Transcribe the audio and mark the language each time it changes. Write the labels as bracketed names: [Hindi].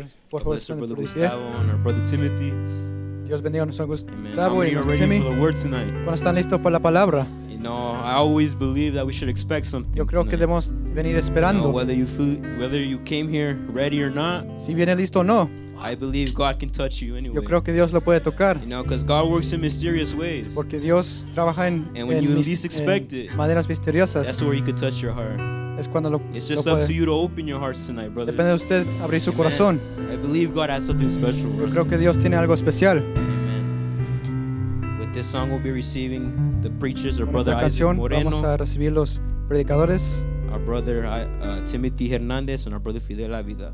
[English] Bless our brother Gustavo and our brother Timothy. [Spanish] Dios bendiga a nuestro Gustavo y nuestro Timmy. [English] For the word tonight. [Spanish] ¿Cuándo están listos para la palabra? [English] You know, I always believe that we should expect something. [Spanish] Yo creo [English] tonight. [Spanish] Que debemos venir esperando. [English] You know, whether you came here ready or not. [Spanish] Si viene listo o no. [English] I believe God can touch you anyway. [Spanish] Yo creo que Dios lo puede tocar. [English] You know, because God works in mysterious ways. [Spanish] Porque Dios trabaja en [English] and when you least expect it, [Spanish] maneras misteriosas. [English] That's where He could touch your heart. [Spanish] Es cuando lo, [English] it's just [Spanish] lo [English] up [Spanish] puede. [English] To you to open your hearts tonight, brothers. [Spanish] Depende de usted abrir su corazón. [English] I believe God has something special for us. [Spanish] Yo creo que Dios tiene algo especial. [English] Amen. With this song, we'll be receiving the preachers, our brother Isaak Moreno. [Spanish] Vamos a recibir los predicadores. [English] Our brother Timothy Hernandez and our brother Fidel Avila.